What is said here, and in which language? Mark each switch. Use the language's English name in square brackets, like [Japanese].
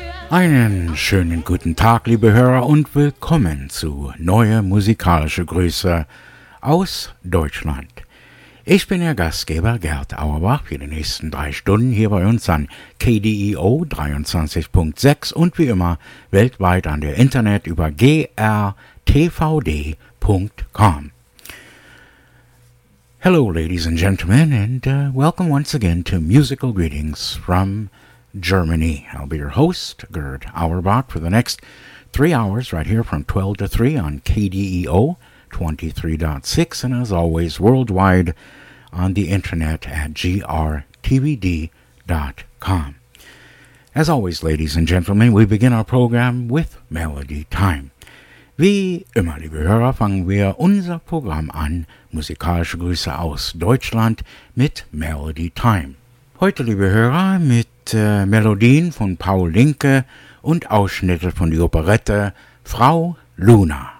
[German] Einen schönen guten Tag, liebe Hörer, und willkommen zu Neue musikalische Grüße aus Deutschland. Ich bin Ihr Gastgeber Gerd Auerbach für die nächsten drei Stunden hier bei uns an KDEO 23.6 und wie immer weltweit an der Internet über grtvd.com. [English] Hello, ladies and gentlemen, and welcome once again to Musical Greetings from Germany. I'll be your host, Gerd Auerbach, for the next 3 hours right here from 12 to 3 on KDEO 23.6 and, as always, worldwide on the internet at grtvd.com. As always, ladies and gentlemen, we begin our program with Melody Time. [German] Wie immer, liebe Hörer, fangen wir unser Programm an, musikalische Grüße aus Deutschland, mit Melody Time. Heute, liebe Hörer, mit Melodien von Paul Linke und Ausschnitte von der Operette Frau Luna.